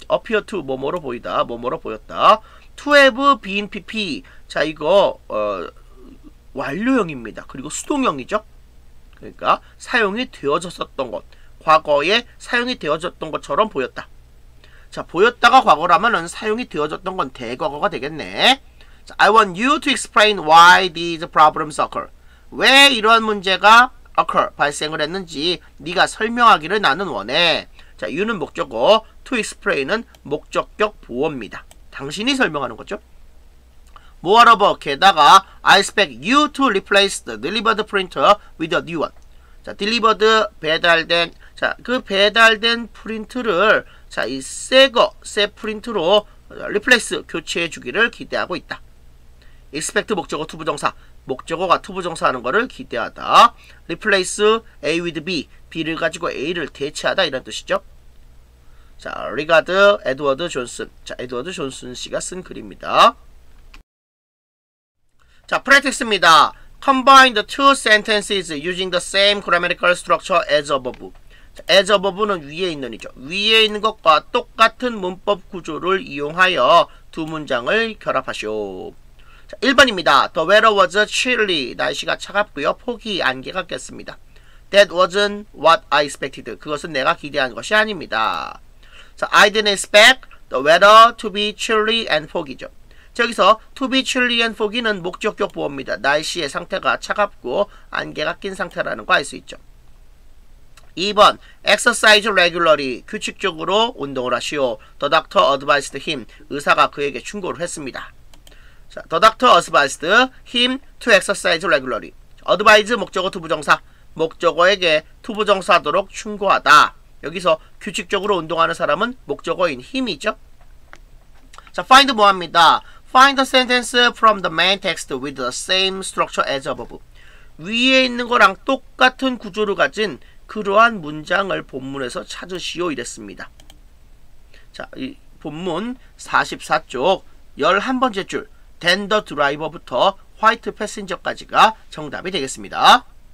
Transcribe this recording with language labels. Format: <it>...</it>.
<en>appear to,</en> <ko>뭐뭐로 보이다, 뭐뭐로 보였다.</ko> <en>To have been PP.</en> <ko>자, 이거 완료형입니다. 그리고 수동형이죠. 그러니까 사용이 되어졌었던 것, 과거에 사용이 되어졌던 것처럼 보였다. 자, 보였다가 과거라면은 사용이 되어졌던 건 대과거가 되겠네.</ko> <en>자, I want you to explain why these problems occur.</en> <ko>왜 이런 문제가 occur, 발생을 했는지 네가 설명하기를 나는 원해. 자, you는 목적어, to explain은 목적격 보호입니다. 당신이 설명하는 거죠.</ko> <en>Moreover,</en> <ko>게다가</ko> <en>I expect you to replace the delivered printer with a new one.</en> <ko>자, delivered 배달된, 자, 그 배달된 프린트를, 자, 이 새거 새 프린트로 replace 교체해 주기를 기대하고 있다. Expect 목적어 to 부정사, 목적어가 to 부정사하는 것을 기대하다.</ko> <en>Replace A with B,</en> <ko>B를 가지고 A를 대체하다 이런 뜻이죠. 자, regard Edward Johnson. 자, Edward Johnson 씨가 쓴 글입니다. 자, 프랙티스입니다.</ko> <en>Combine the two sentences using the same grammatical structure as above. As above</en> <ko>는 위에 있는 이죠. 위에 있는 것과 똑같은 문법 구조를 이용하여 두 문장을 결합하시오.</ko> <en>자, 1번입니다. The weather was chilly.</en> <ko>날씨가 차갑고요. 폭이 안개가 꼈습니다.</ko> <en>That wasn't what I expected.</en> <ko>그것은 내가 기대한 것이 아닙니다.</ko> <en>자, I didn't expect the weather to be chilly and foggy죠.</en> <ko>여기서</ko> <en>to be chilly and foggy</en> <ko>는 목적격 보호입니다. 날씨의 상태가 차갑고 안개가 낀 상태라는 거 알 수 있죠.</ko> <en>2번, exercise regularly.</en> <ko>규칙적으로 운동을 하시오.</ko> <en>The doctor advised him.</en> <ko>의사가 그에게 충고를 했습니다.</ko> <en>자, the doctor advised him to exercise regularly.</en> <ko>advise 목적어 to 부정사. 목적어에게 to 부정사하도록 충고하다. 여기서 규칙적으로 운동하는 사람은 목적어인 him이죠. 자, find 뭐합니다.</ko> <en>Find the sentence from the main text with the same structure as above.</en> <ko>위에 있는 거랑 똑같은 구조를 가진 그러한 문장을 본문에서 찾으시오. 이랬습니다. 자, 이 본문 44쪽 11번째 줄</ko> <en>Then the driver</en> <ko>부터</ko> <en>white passenger</en> <ko>까지가 정답이 되겠습니다.</ko>